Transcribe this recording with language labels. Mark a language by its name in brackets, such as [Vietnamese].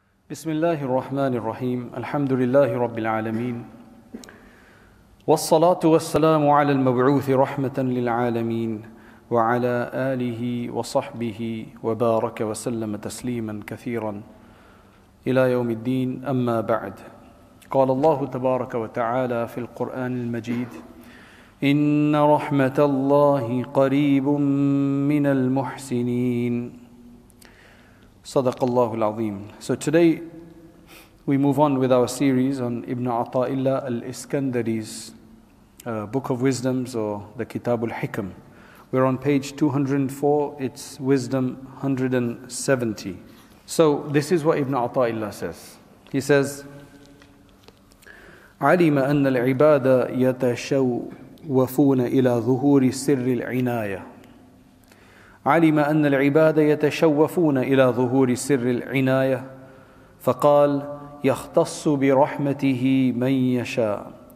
[Arabic] بسم الله الرحمن الرحيم الحمد لله رب العالمين والصلاة والسلام على المبعوث رحمة للعالمين وعلى آله وصحبه وبارك وسلم تسليما كثيرا إلى يوم الدين أما بعد قال الله تبارك وتعالى في القرآن المجيد إن رحمة الله قريب من المحسنين صدق الله العظيم. [English] So today we move on with our series on Ibn Ata'illah al-Iskandari's Book of Wisdoms, or the Kitab al-Hikam. We're on page 204, it's Wisdom 170. So this is what Ibn Ata'illah says. He says, [Arabic] عَلِمَ أَنَّ الْعِبَادَ يَتَشَوَّفُونَ إِلَىٰ ظُهُورِ سِرِّ الْعِنَايَةِ عَلِمَ أَنَّ الْعِبَادَ يَتَشَوَّفُونَ إِلَىٰ ظُهُورِ سِرِّ الْعِنَايَةِ فَقَالْ يختص برحمته من يشاء